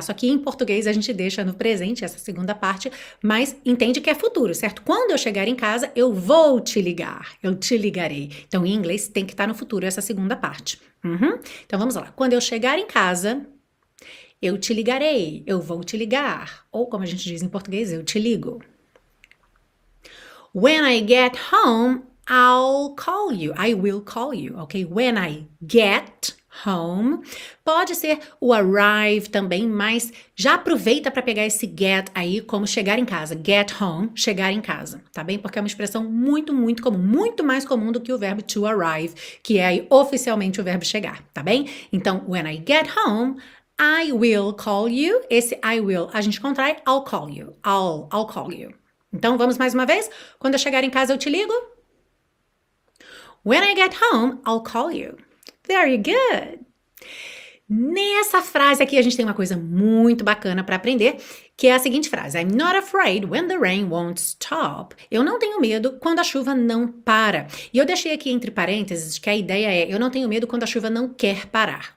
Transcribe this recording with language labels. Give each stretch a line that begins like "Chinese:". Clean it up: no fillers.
Portuguese: Só que em português a gente deixa no presente essa segunda parte, mas entende que é futuro, certo? Quando eu chegar em casa, eu vou te ligar, eu te ligarei. Então, em inglês, tem que estar no futuro essa segunda parte. Uhum. Então, vamos lá. Quando eu chegar em casa, eu te ligarei, eu vou te ligar. Ou, como a gente diz em português, eu te ligo.
English: When I get home, I'll call you. I will call you, ok? When I get home.
Portuguese: Pode ser o arrive também, mas já aproveita para pegar esse get aí como chegar em casa. Get home, chegar em casa, tá bem? Porque é uma expressão muito, muito comum, muito mais comum do que o verbo to arrive, que é aí oficialmente o verbo chegar, tá bem? Então,
English: when I get home, I will call you.
Portuguese: Esse I will, a gente contrai, I'll call you.
English: I'll call you.
Portuguese: Então, vamos mais uma vez? Quando eu chegar em casa, eu te ligo?
English: When I get home, I'll call you. Very good.
Portuguese: Nessa frase aqui, a gente tem uma coisa muito bacana para aprender, que é a seguinte frase:
English: I'm not afraid when the rain won't stop.
Portuguese: Eu não tenho medo quando a chuva não para. E eu deixei aqui entre parênteses que a ideia é: eu não tenho medo quando a chuva não quer parar.